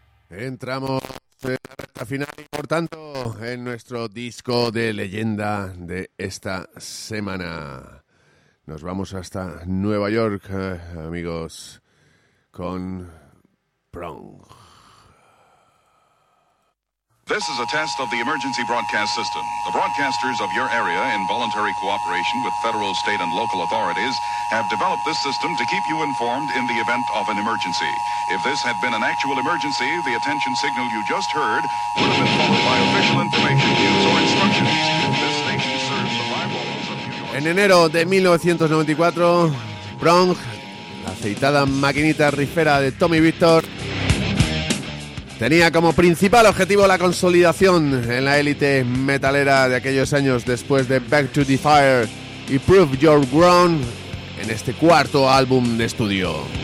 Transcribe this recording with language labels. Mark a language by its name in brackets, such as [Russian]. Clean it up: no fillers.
[Spanish] entramos en la recta final y, por tanto, en nuestro disco de leyenda de esta semana. Nos vamos hasta Nueva York, amigos, con Prong. [English] This is a test of the emergency broadcast system. The broadcasters of your area, in voluntary cooperation with federal, state, and local authorities, have developed this system to keep you informed in the event of an emergency. If this had been an actual emergency, the attention signal you just heard would have been followed by official information, news, or instructions. This station serves the five boroughs of New York. [Spanish] En enero de 1994, Prong, la aceitada maquinita rifera de Tommy Victor, tenía como principal objetivo la consolidación en la élite metalera de aquellos años. Después de Back to the Fire y Prove Your Ground, en este cuarto álbum de estudio.